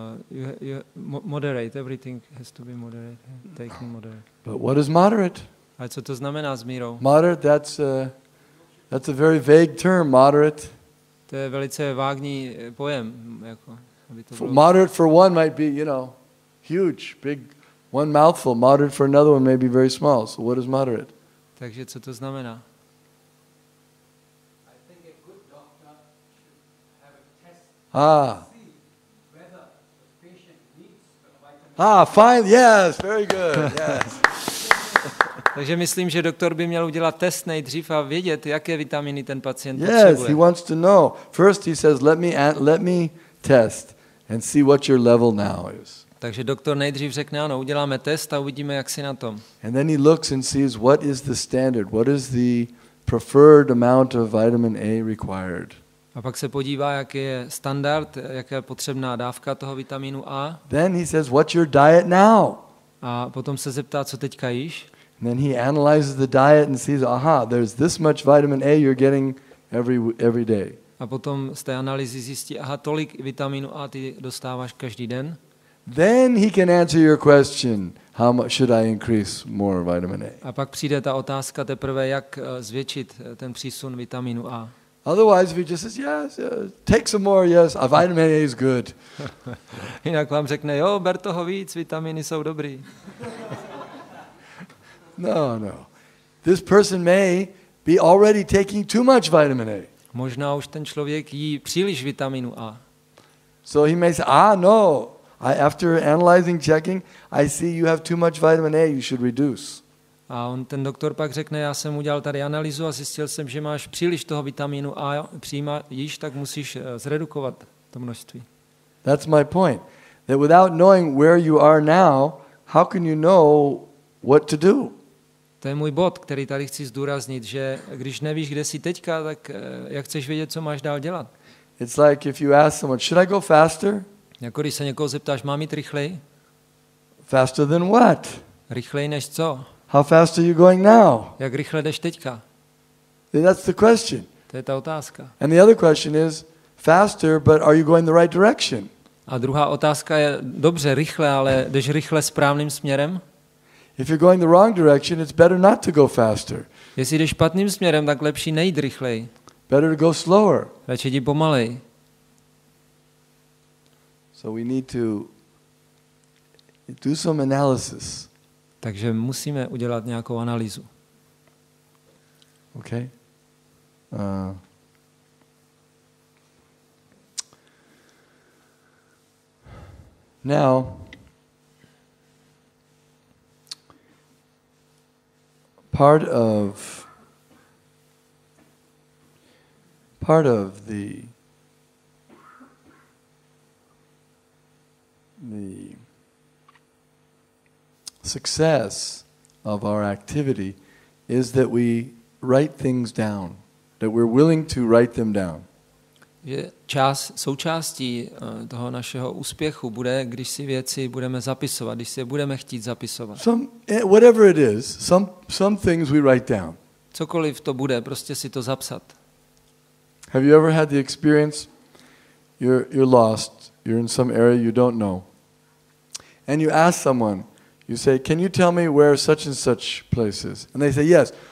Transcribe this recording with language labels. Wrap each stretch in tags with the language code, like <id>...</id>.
<en>You moderate, everything has to be moderate, taken moderate. But what is moderate?</en> <cs>A co to znamená s mírou?</cs> <en>Moderate, that's a very vague term, moderate.</en> <cs>To je velice vágní pojem. Jako, aby to bylo...</cs> <en>Moderate for one might be, you know, huge, big, one mouthful. Moderate for another one may be very small. So what is moderate?</en> <cs>Takže co to znamená?</cs> <en>I think a good doctor should have a test. Fine. Yes, very good. Yes.</en> <cs>Takže myslím, že doktor by měl udělat test nejdřív a vědět, jaké vitaminy ten pacient</cs> <en>yes,</en> <cs>potřebuje.</cs> <en>Yes, he wants to know. First he says, let me test and see what your level now is.</en> <cs>Takže doktor nejdřív řekne, ano, uděláme test a uvidíme, jak si na tom.</cs> <en>And then he looks and sees what is the standard, what is the preferred amount of vitamin A required.</en> <cs>A pak se podívá, jaký je standard, jaká je potřebná dávka toho vitaminu A.</cs> <en>Then he says, what's your diet now?</en> <cs>A potom se zeptá, co teďka jíš.</cs> <en>And then he analyzes the diet and sees, aha, there's this much vitamin A you're getting every day.</en> <cs>A potom z té analýzy zjistí, aha, tolik vitaminu A ty dostáváš každý den.</cs> <en>Then he can answer your question, how much should I increase more vitamin A?</en> <cs>A pak přijde ta otázka teprve, jak zvětšit ten přísun vitaminu A.</cs> <en>Otherwise we just says yes, yes, take some more, yes, a vitamin A is good.</en> <cs>Jinak vám řekne, jo, ber toho víc, vitaminy jsou dobrý.</cs> <en>No. This person may be already taking too much vitamin A.</en> <cs>Možná už ten člověk jí příliš vitaminu A.</cs> <en>So he may say, no, I after analyzing, checking, I see you have too much vitamin A, you should reduce.</en> <cs>A on ten doktor pak řekne, já jsem udělal tady analýzu a zjistil jsem, že máš příliš toho vitaminu A přijímá jíš, tak musíš zredukovat to množství.</cs> <en>That's my point. That without knowing where you are now, how can you know what to do?</en> <cs>To je můj bod, který tady chci zdůraznit, že když nevíš, kde jsi teďka, tak jak chceš vědět, co máš dál dělat?</cs> <en>It's like if you ask someone, should I go faster?</en> <cs>Jako když se někoho zeptáš, mám jít rychleji?</cs> <en>Faster than what?</en> <cs>Rychleji než co?</cs> <en>How fast are you going now?</en> <cs>Jak rychle jdeš teďka?</cs> <en>That's the question.</en> <cs>To je ta otázka.</cs> <en>And the other question is faster, but are you going the right direction?</en> <cs>A druhá otázka je dobře, rychle, ale jdeš rychle správným směrem?</cs> <en>If you're going the wrong direction, it's better not to go faster.</en> <cs>Jestli jdeš špatným směrem, tak lepší nejít rychleji.</cs> <en>Better to go slower.</en> <cs>Radši jdi pomalej.</cs> <en>So we need to do some analysis.</en> <cs>Takže musíme udělat nějakou analýzu.</cs> <en>Okay. Now, part of part of the success of our activity is that we write things down, that we're willing to write them down.</en> <cs>Je čas, součástí toho našeho úspěchu bude, když si věci budeme zapisovat, když si je budeme chtít zapisovat.</cs> <en>Whatever it is, some things we write down.</en> <cs>Cokoliv to bude, prostě si to zapsat.</cs> <en>Have you ever had the experience you're lost, you're in some area you don't know, and you ask someone, you say, can you tell me where such and such place is? And they say, yes.</en>